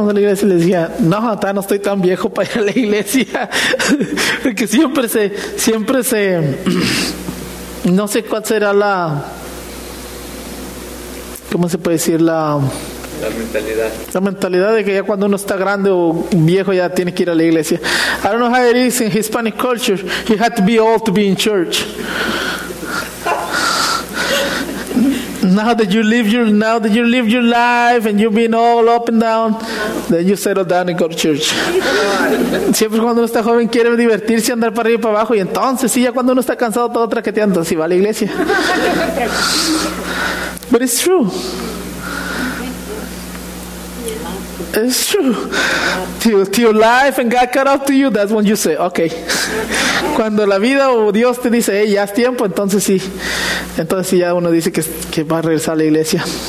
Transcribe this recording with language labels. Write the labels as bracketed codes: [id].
[es] Y les decía, no estoy tan viejo para ir a la iglesia. Porque siempre se, no sé cuál será la, ¿cómo se puede decir? La mentalidad de que ya cuando uno está grande o viejo ya tiene que ir a la iglesia. [en] I don't know how it is in Hispanic culture. You have to be old to be in church. Now that you live your life and you've been all up and down, then you settle down and go to church. [es] Siempre cuando uno está joven quiere divertirse, andar para arriba y para abajo, y entonces sí, ya cuando uno está cansado todo traqueteando, sí va a la iglesia. [en] But it's true. It's true. Till life and God cut off to you, that's when you say, okay. [es] Cuando la vida o Dios te dice, hey, ya es tiempo, entonces sí. Entonces sí, ya uno dice que va a regresar a la iglesia.